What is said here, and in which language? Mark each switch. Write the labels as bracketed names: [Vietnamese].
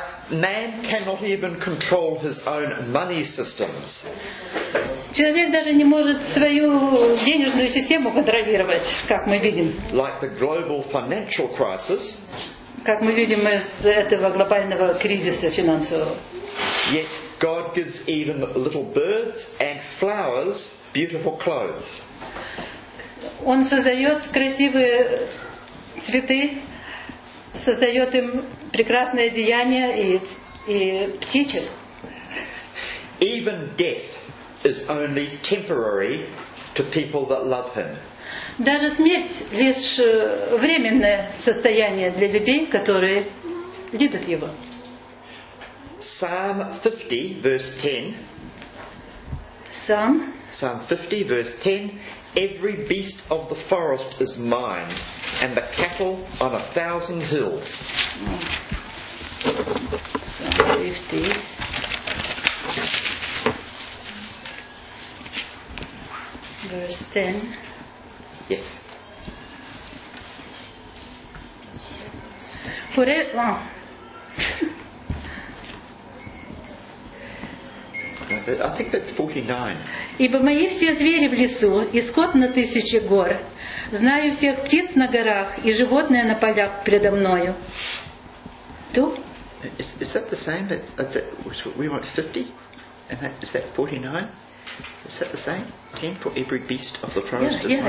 [English] Man cannot even control his own money systems. [Russian] Человек даже не может свою денежную систему контролировать, как мы видим. [English] Like the global financial crisis. [Russian] Как мы видим из этого глобального кризиса финансового. [English] Yet God gives even little birds and flowers beautiful clothes. [Russian] Он создает красивые цветы. Создает им прекрасное деяние и птичек. [English] Even death is only temporary to people that love him. [Russian] Даже смерть лишь временное состояние для людей, которые любят его. [English] Psalm 50, verse 10. Psalm 50, verse 10. Every beast of the forest is mine, and the cattle on a thousand hills. Psalm 50. Verse 10. Yes. Forever. I think that's 49. [Russian] Ибо мои все звери в лесу, и скот на тысячи гор. Знаю всех птиц на горах, и животные на полях предо мною. Ту? [English] Is that the same? That's we want 50? And that, is that 49? Is that the same? 10 for every beast of the forest?